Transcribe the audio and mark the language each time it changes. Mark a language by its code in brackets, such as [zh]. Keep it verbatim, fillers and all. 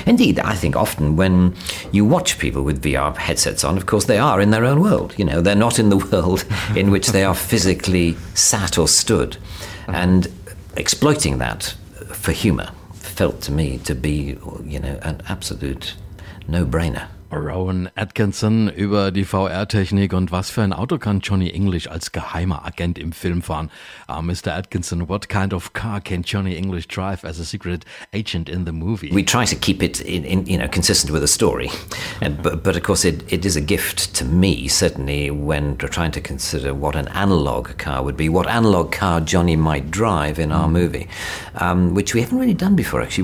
[en] Indeed, I think often when you watch people with V R headsets on, of course, they are in their own world. You know, they're not in the world in which they are physically sat or stood, and exploiting that for humour felt to me to be, you know, an absolute no-brainer. [de] Rowan Atkinson über die V R-Technik und was für ein Auto kann Johnny English als geheimer Agent im Film fahren. [en] Uh, Mister Atkinson, what kind of car can Johnny English drive as a secret agent in the movie? We try to keep it in, in, you know, consistent with the story, and, but, but of course it, it is a gift to me, certainly when trying to consider what an analog car would be, what analog car Johnny might drive in our movie, um, which we haven't really done before, actually.